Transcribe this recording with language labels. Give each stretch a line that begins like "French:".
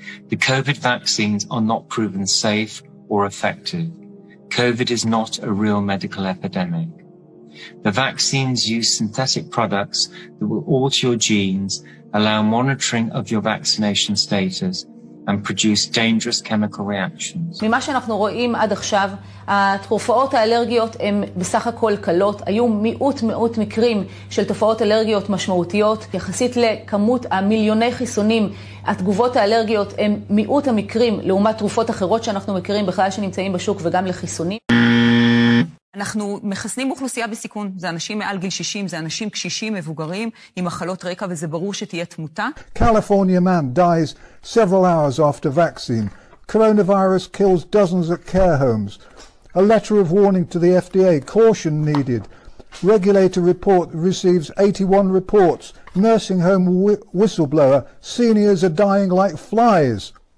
English: The COVID vaccines are not proven safe or effective. COVID is not a real medical epidemic. The vaccines use synthetic products that will alter your genes, allow monitoring of your vaccination status, and produce dangerous chemical reactions.
Hebrew: ממה שאנחנו רואים עד עכשיו, התרופאות האלרגיות הן בסך הכל קלות, היו מאות מקרים של תופעות אלרגיות משמעותיות, יחסית לכמות המיליוני חיסונים, התגובות האלרגיות הן מאות המקרים לעומת תרופות אחרות שאנחנו מכירים בכלל שנמצאים בשוק וגם לחיסונים. אנחנו מחסנים אוכלוסייה בסיכון, זה אנשים מעל גיל 60, זה אנשים קשישים, מבוגרים, עם מחלות רקע, וזה ברור שתהיה תמותה.
English: California man dies several hours after vaccine. Coronavirus kills dozens at care homes. A letter of warning to the FDA, caution needed. Regulator report receives 81 reports. Nursing home whistleblower, seniors are dying like flies.